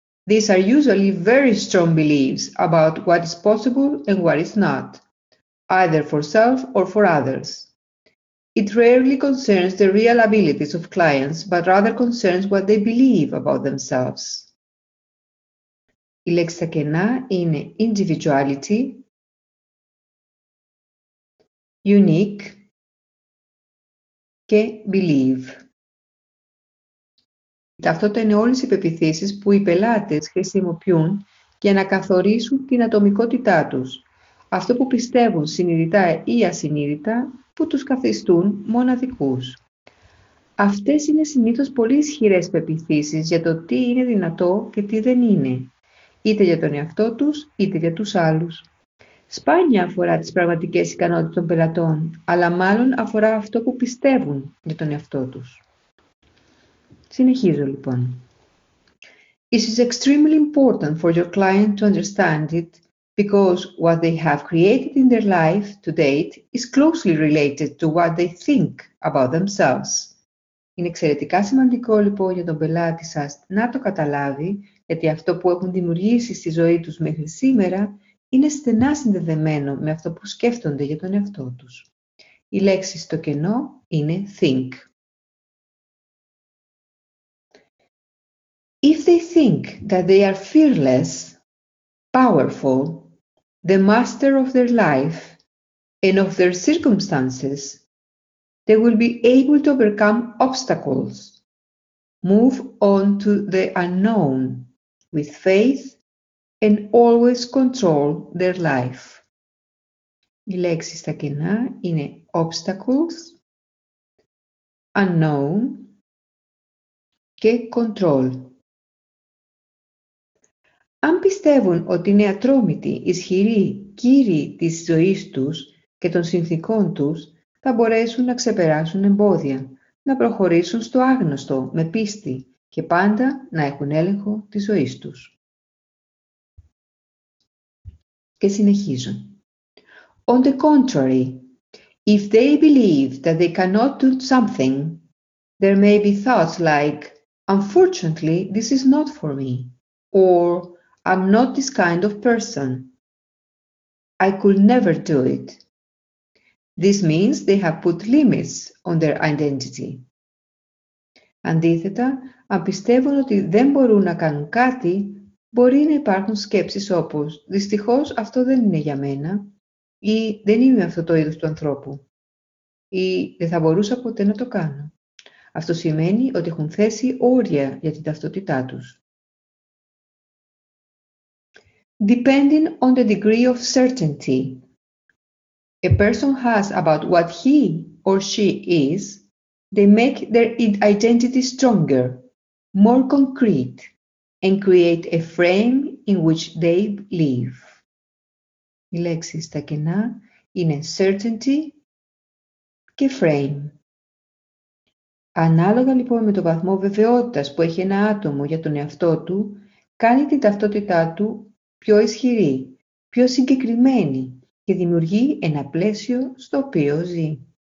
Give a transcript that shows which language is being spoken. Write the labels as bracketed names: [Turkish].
[English] These are usually very strong beliefs about what is possible and what is not, either for self or for others. It rarely concerns the real abilities of clients, but rather concerns what they believe about themselves. [Greek] Η λέξη στα κενά είναι [English] individuality, unique [Greek] και believe. Η ταυτότητα είναι όλες οι πεποιθήσεις που οι πελάτες χρησιμοποιούν για να καθορίσουν την ατομικότητά τους. Αυτό που πιστεύουν συνειδητά ή ασυνείδητα που τους καθιστούν μοναδικούς. Αυτές είναι συνήθως πολύ ισχυρές πεποιθήσεις για το τι είναι δυνατό και τι δεν είναι, είτε για τον εαυτό τους, είτε για τους άλλους. Σπάνια αφορά τις πραγματικές ικανότητες των πελατών, αλλά μάλλον αφορά αυτό που πιστεύουν για τον εαυτό τους. Συνεχίζω λοιπόν. [English] It is extremely important for your client to understand it, because what they have created in their life to date is closely related to what they think about themselves. [Greek] Είναι εξαιρετικά σημαντικό λοιπόν για τον πελάτη σας να το καταλάβει, γιατί αυτό που έχουν δημιουργήσει στη ζωή τους μέχρι σήμερα είναι στενά συνδεδεμένο με αυτό που σκέφτονται για τον εαυτό τους. Η λέξη στο κενό είναι think. [English] If they think that they are fearless, powerful, the master of their life and of their circumstances, they will be able to overcome obstacles, move on to the unknown with faith and always control their life. [Greek] Οι λέξεις στα κενά είναι [English] obstacles, unknown [Greek] και control. Αν πιστεύουν ότι είναι ατρόμητοι, ισχυροί, κύριοι της ζωής τους και των συνθήκων τους, θα μπορέσουν να ξεπεράσουν εμπόδια, να προχωρήσουν στο άγνωστο με πίστη και πάντα να έχουν έλεγχο της ζωής τους. Και συνεχίζω. [English] On the contrary, if they believe that they cannot do something, there may be thoughts like, unfortunately, this is not for me, or I'm not this kind of person. I could never do it. This means they have put limits on their identity. [Greek] Αντίθετα, αν πιστεύουν ότι δεν μπορούν να κάνουν κάτι, μπορεί να υπάρχουν σκέψεις όπως «Δυστυχώς αυτό δεν είναι για μένα» ή «Δεν είμαι αυτό το είδος του ανθρώπου» ή «Δεν θα μπορούσα ποτέ να το κάνω». Αυτό σημαίνει ότι έχουν θέσει όρια για την ταυτότητά τους. [English] Depending on the degree of certainty a person has about what he or she is, they make their identity stronger, more concrete, and create a frame in which they live. [Greek] Οι λέξεις τα κενά είναι certainty και frame. Ανάλογα λοιπόν με το βαθμό βεβαιότητας που έχει ένα άτομο για τον εαυτό του, κάνει την ταυτότητά του πιο ισχυρή, πιο συγκεκριμένη και δημιουργεί ένα πλαίσιο στο οποίο ζει.